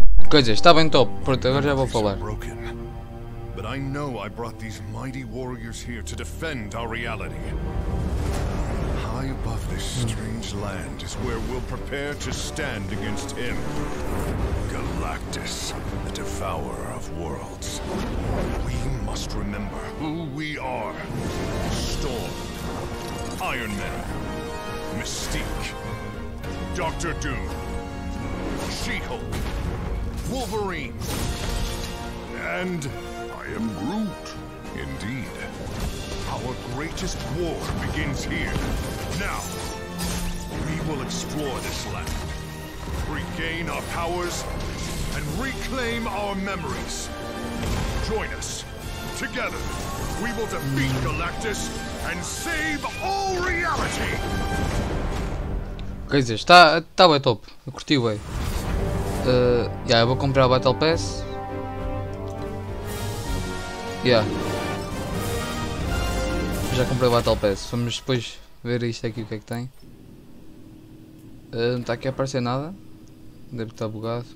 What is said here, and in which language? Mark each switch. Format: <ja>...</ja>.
<pt>Coisas, está bem top. Pronto, agora já vou falar.</pt> <en>But I know I brought these mighty warriors here to defend our reality. High above this strange land is where we'll prepare to stand against him. Galactus, the devourer of worlds. We must remember who we are. Storm, Iron Man, Mystique, Doctor Doom, She-Hulk, Wolverine, and I am Groot, indeed. Our greatest war begins here. Now, we will explore this land, regain our powers, and reclaim our memories. Join us. Together, we will defeat Galactus and save all reality.</en> <pt>Quer dizer, está bem top. Eu curti bem. Eu vou comprar o Battle Pass. Já comprei o Battle Pass. Vamos depois ver isto aqui, o que é que tem. Não está aqui a aparecer nada. Deve estar bugado.</pt>